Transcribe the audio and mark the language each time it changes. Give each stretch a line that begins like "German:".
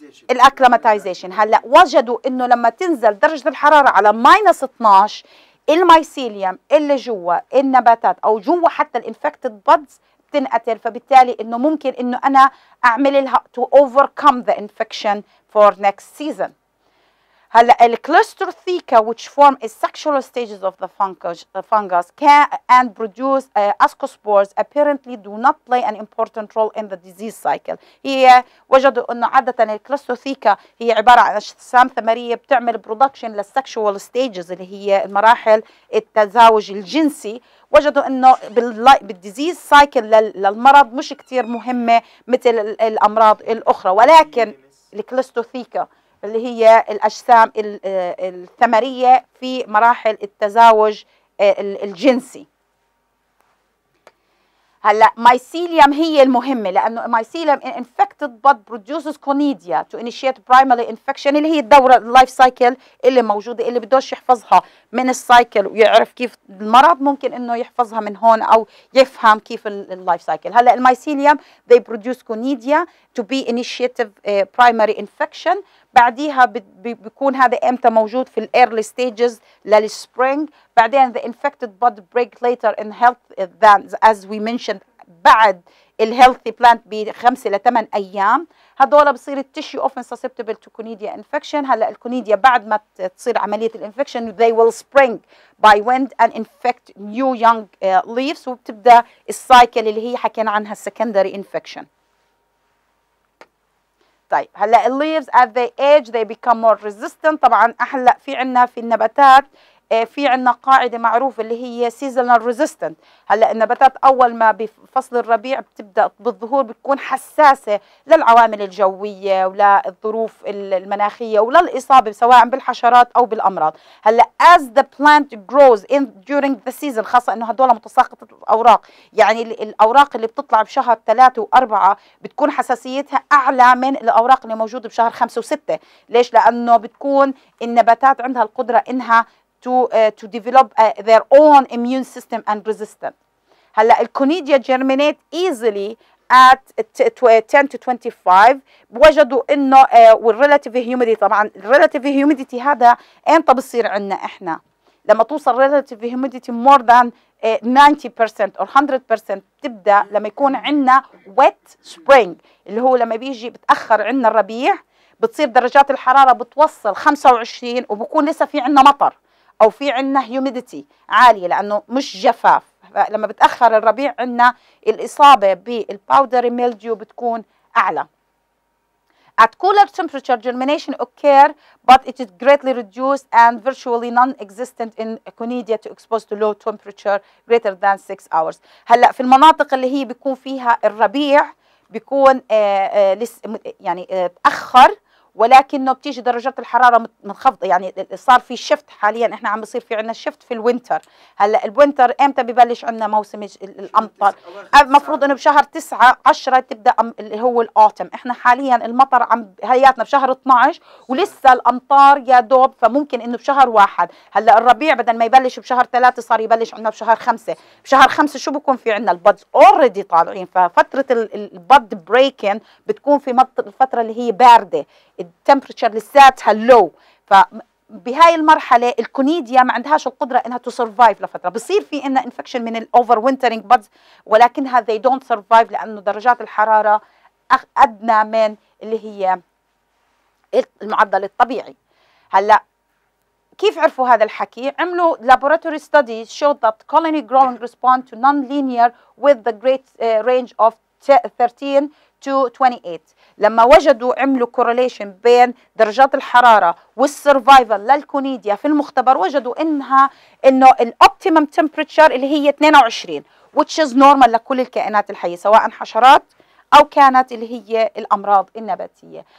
Arabic: الأكلماتيزيشن هلا وجدوا إنه لما تنزل درجة الحرارة على ماينس 12 المايسيليوم اللي جوا النباتات أو جوا حتى الإنفكتد بادز بتنقتل، فبالتالي إنه ممكن إنه أنا أعمل لها تو أوفركم ذا إنفكشن فور نكست سيزون.
English: هلا الكلستروثيكا which form is sexual stages of the fungus, can and produce ascospores apparently do not play an important role in the disease cycle.
Arabic: هي وجدوا انه عاده الكلستروثيكا هي عباره عن اجسام ثمريه بتعمل برودكشن للسكشوال ستيجز اللي هي المراحل التزاوج الجنسي. وجدوا انه بالديزيز سايكل للمرض مش كثير مهمه مثل الامراض الاخرى، ولكن الكلستروثيكا اللي هي الاجسام الثمريه في مراحل التزاوج الجنسي. هلا مايسيليوم هي المهمه، لانه مايسيليوم انفكتد بات برودوسز كونيديا تو انيشيت برايمري انفكشن، اللي هي الدوره اللايف سايكل اللي موجوده اللي بدوش يحفظها من السايكل ويعرف كيف المرض ممكن انه يحفظها من هون او يفهم كيف اللايف سايكل.
English: هلا المايسيليوم they produce conidia to be initiative primary infection.
Arabic: بعديها بيكون هذا امتى موجود؟ في الايرلي ستيجز للسبرينج.
English: بعدين the infected bud break later in health than as we mentioned
Arabic: بعد الهيلثي بلانت بخمسه لثمان ايام. هذول بصير التشيو اوفن سسبتبل تو كونيديا انفكشن. هلا الكونيديا بعد ما تصير عمليه الانفكشن
English: they will spring by wind and infect new young leaves،
Arabic: وبتبدا السايكل اللي هي حكينا عنها السكندري انفكشن.
English: طيب هلا الليفز at the age they become more resistant.
Arabic: طبعا احلى في عنا في النباتات في عنا قاعده معروفه اللي هي seasonal resistant. هلا النباتات اول ما بفصل الربيع بتبدا بالظهور بتكون حساسه للعوامل الجويه وللظروف المناخيه وللاصابه سواء بالحشرات او بالامراض. هلا
English: as the plant grows in during the season،
Arabic: خاصه انه هدول متساقطه الاوراق، يعني الاوراق اللي بتطلع بشهر 3 و4 بتكون حساسيتها اعلى من الاوراق اللي موجوده بشهر 5 و6. ليش؟ لانه بتكون النباتات عندها القدره انها
English: to develop their own immune system and resistant. هلا الكونيديا germinate easily at 10 to 25.
Arabic: وجدوا انه والrelative humidity، طبعا الrelative humidity هذا امتى بصير عندنا احنا؟ لما توصل relative humidity
English: more than 90% or 100%
Arabic: تبدا لما يكون عندنا wet spring، اللي هو لما بيجي بتاخر عندنا الربيع بتصير درجات الحراره بتوصل 25 وبكون لسه في عندنا مطر او في عندنا هيوميديتي عاليه لانه مش جفاف. لما بتاخر الربيع عندنا الاصابه بالباودري ميلديو بتكون اعلى.
English: At cooler temperature germination occur but it is greatly reduced and virtually non-existent in conidia to expose to low temperature greater than 6 hours.
Arabic: هلا في المناطق اللي هي بيكون فيها الربيع بيكون يعني تاخر ولكنه بتيجي درجات الحراره منخفضه، يعني صار في شيفت حاليا، احنا عم بصير في عندنا شيفت في الوينتر. هلا الوينتر امتى ببلش عندنا موسم الامطار؟ المفروض انه بشهر 9 10 تبدا اللي هو الاوتم. احنا حاليا المطر عم هياتنا بشهر 12 ولسه الامطار يا دوب، فممكن انه بشهر 1. هلا الربيع بدل ما يبلش بشهر 3 صار يبلش عندنا بشهر 5. بشهر 5 شو بكون في عندنا؟ البادز اوريدي طالعين، ففتره البد بريكن بتكون في الفتره اللي هي بارده، التمبرتشر لساتها لو. فبهاي المرحله الكونيديا ما عندهاش القدره انها تو سرفايف لفتره، بصير في عندنا انفكشن من الاوفر وينترنج بادز ولكنها
English: they don't survive
Arabic: لانه درجات الحراره ادنى من اللي هي المعدل الطبيعي. هلا كيف عرفوا هذا الحكي؟ عملوا
English: laboratory studies showed that colony growing respond to non-linear with the great range of 13 to 28.
Arabic: لما وجدوا عملوا correlation بين درجات الحرارة والسرفايفل للكونيديا في المختبر، وجدوا انها انه الاوبتيمم تمبريتشر اللي هي 22
English: which is normal
Arabic: لكل الكائنات الحية سواء حشرات او كانت اللي هي الامراض النباتية.